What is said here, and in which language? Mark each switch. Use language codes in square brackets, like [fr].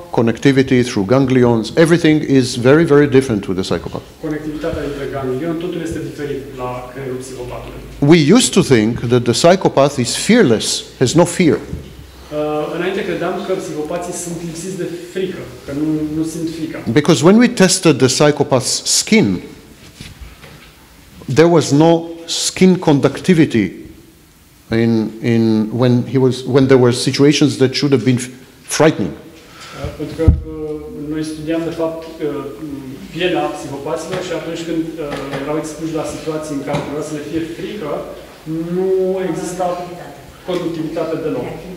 [en] connectivity through ganglions, everything is very, very different with the psychopath. [ro] Conectivitatea dintre ganglion, totul este diferit la creierul psihopatului. [en] We used to think that the psychopath is fearless, has no fear. [ro] Înainte credeam că psihopații sunt lipsiți de frică, că nu simt frică. [en] Because when we tested the psychopath's skin, there was no skin conductivity in when he was when there were situations that should have been frightening. [ro] Pentru că noi studiam de fapt pielea psihopaților și atunci când erau expuși la situații în care trebuia să le fie frică, nu exista conductivitate deloc.